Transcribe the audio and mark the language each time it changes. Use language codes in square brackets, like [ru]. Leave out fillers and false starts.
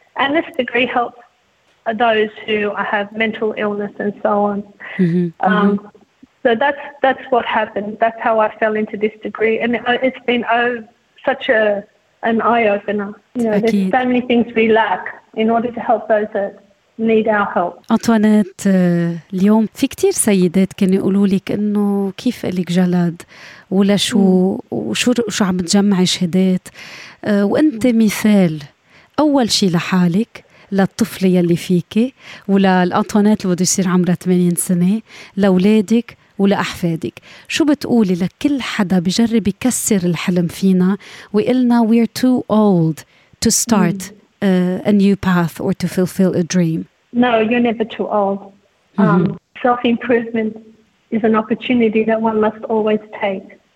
[en] And this degree helps those who have mental illness and so on. So that's what happened. That's how I fell into this degree. And it's been such an eye-opener. There's so many things we lack in order to help those that need our help. [ar] أنطوانيت, اليوم في كتير سيدات كانوا يقولوا لك إنه كيف لك جلد ولا شو وشو عم تجمعي شهادات وأنت مثال أول شيء لحالك للطفلة يلي فيكي وللأنطوانيت اللي بده يصير عمرها 80 سنة لأولادك ولأحفادك. شو بتقولي لكل حدا بجرب يكسر الحلم فينا ويقلنا [en] we're too old to start a new path or to fulfill a dream? No, you're never too old. Self-improvement is an opportunity that one must always take.